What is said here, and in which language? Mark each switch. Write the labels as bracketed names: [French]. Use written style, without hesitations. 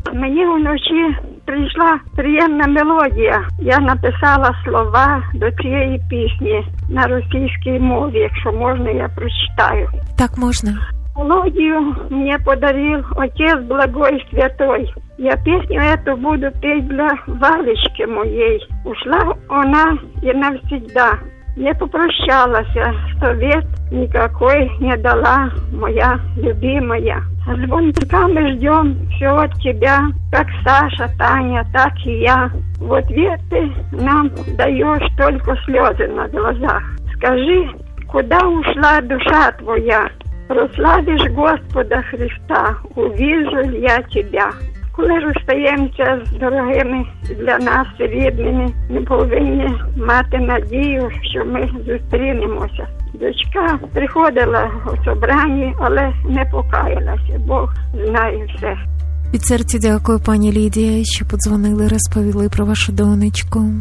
[Ukrainian] Мені вночі прийшла приємна мелодія. Я написала слова до цієї пісні на російській мові, якщо можна, я прочитаю. Так, можна. Мелодію мені подарив отець благой святой. Я пісню [Russian] эту буду петь [Ukrainian] для Валечки моєї. [Russian] Ушла вона і навсегда. Не попрощалася, совет никакой не дала моя любимая. С бунтиками ждем все от тебя, как Саша, Таня, так и я. В ответ ты нам даешь только слезы на глазах. Скажи, куда ушла душа твоя? Прославишь Господа Христа, увижу я тебя. [Ukrainian] Коли розстаємося з дорогими для нас рідними, ми повинні мати надію, що ми зустрінемося. Дочка приходила у собрані, але не покаялася. Бог знає все. Від серця дякую, пані Лідія, що подзвонили, розповіли про вашу донечку.